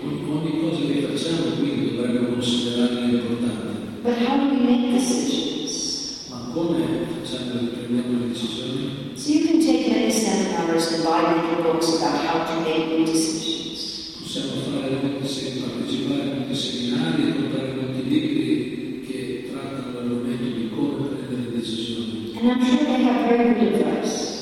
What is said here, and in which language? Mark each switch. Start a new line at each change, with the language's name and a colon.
Italian: Ogni cosa che facciamo quindi dovremmo considerare importante.
English: But how do we make decisions?
Italian: Ma come facciamo le prendiamo le decisioni?
English: So you can take many seminars and buy many books about how to make decisions.
Italian: Possiamo fare molti seminari, partecipare a molti seminari e comprare molti libri che trattano l'argomento di come prendere decisioni.
English: And I'm sure they have very good advice.